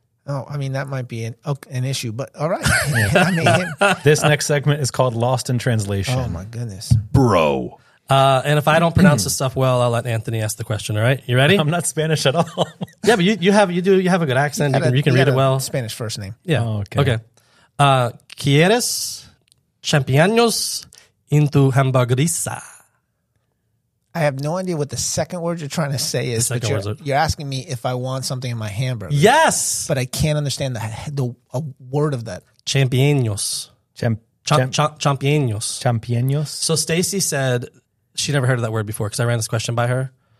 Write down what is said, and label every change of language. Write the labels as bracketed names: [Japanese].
[English] Oh, I mean, that might be an issue, but all right. This next segment is called Lost in Translation. Oh, my goodness. Bro. And if I don't pronounce the stuff well, I'll let Anthony ask the question, all right? You ready? I'm not Spanish at all. Yeah, but you have a good accent. You can read it well. Spanish first name. Yeah. Oh, okay. [Spanish] ¿Quieres champiñones en tu hamburguesa? [English] I have no idea what the second word you're trying to say is. But you're asking me if I want something in my hamburger. Yes. But I can't understand the word of that. [Spanish] Champiños. Champiños. Champiños. [English] So Stacy said she never heard of that word before because I ran this question by her.